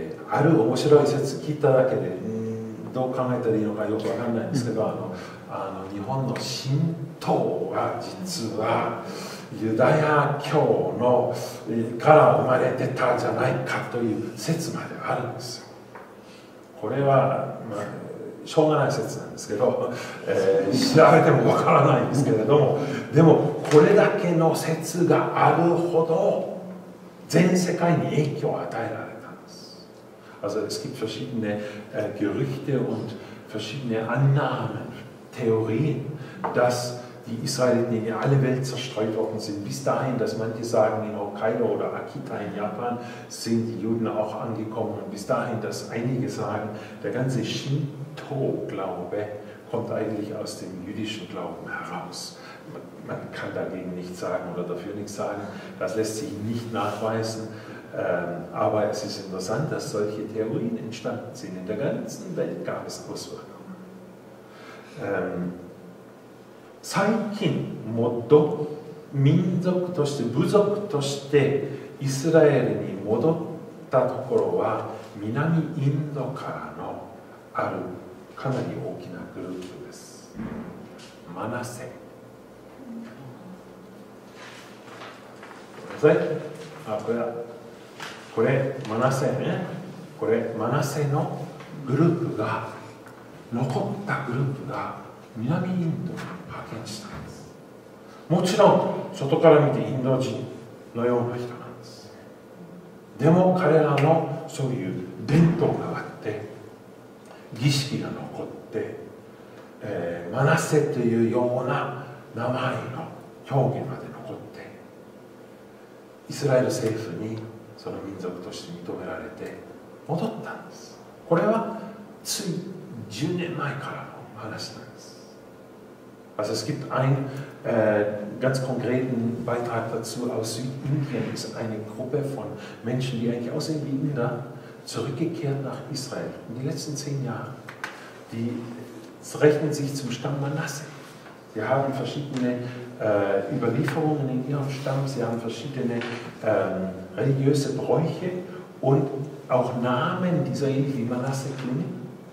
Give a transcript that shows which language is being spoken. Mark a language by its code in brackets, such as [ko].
[ja] ある面白い説聞いただけで、どう考えたらいいのかよくわかんないんですけど、あの日本の神道は実はユダヤ教のから生まれてたじゃないかという説まであるんですよ。これは、まあ、しょうがない説なんですけど、調べてもわからないんですけれども、でもこれだけの説があるほど全世界に影響を与えられたんです。 [de] Also es gibt verschiedene Gerüchte und verschiedene Annahmen, Theorien, dass die Israeliten in alle Welt zerstreut worden sind, bis dahin, dass manche sagen, in Hokkaido oder Akita in Japan sind die Juden auch angekommen, und bis dahin, dass einige sagen, der ganze Shinto-Glaube kommt eigentlich aus dem jüdischen Glauben heraus. Man kann dagegen nichts sagen oder dafür nichts sagen, das lässt sich nicht nachweisen, aber es ist interessant, dass solche Theorien entstanden sind. In der ganzen Welt gab es Auswirkungen. [ja] 最近もっと民族として部族としてイスラエルに戻ったところは南インドからのあるかなり大きなグループです。マナセ。これマナセね。これマナセのグループが残ったグループが南インドに派遣したんです。もちろん外から見てインド人のような人なんです。でも彼らのそういう伝統があって儀式が残って、マナセというような名前の表現まで残って、イスラエル政府にその民族として認められて戻ったんです。これはつい10年前からの話なんです。 [de] Also es gibt ein ganz konkreten Beitrag dazu aus Südindien. Es ist eine Gruppe von Menschen, die eigentlich aussehen wie Inder, zurückgekehrt nach Israel in den letzten 10 Jahren. Die rechnen sich zum Stamm Manasse. Sie haben verschiedene Überlieferungen in ihrem Stamm, sie haben verschiedene religiöse Bräuche und auch Namen dieser ähnlich wie Manasse klingen.